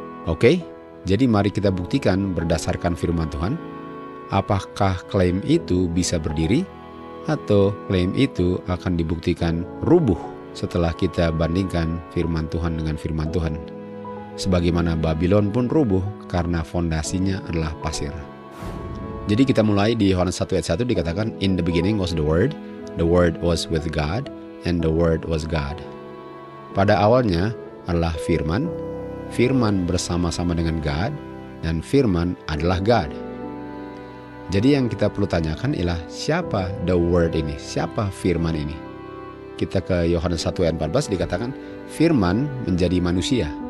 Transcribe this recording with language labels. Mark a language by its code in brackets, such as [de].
[id] Oke, jadi mari kita buktikan berdasarkan firman Tuhan, apakah klaim itu bisa berdiri? Atau klaim itu akan dibuktikan rubuh setelah kita bandingkan firman Tuhan dengan firman Tuhan. Sebagaimana Babilon pun rubuh karena fondasinya adalah pasir. Jadi kita mulai di Yohanes 1 ayat 1 dikatakan, [en] In the beginning was the Word was with God, and the Word was God. [id] Pada awalnya adalah firman, firman bersama-sama dengan God, dan firman adalah God. Jadi yang kita perlu tanyakan ialah siapa the word ini, siapa firman ini. Kita ke Yohanes 1 ayat 14 dikatakan firman menjadi manusia.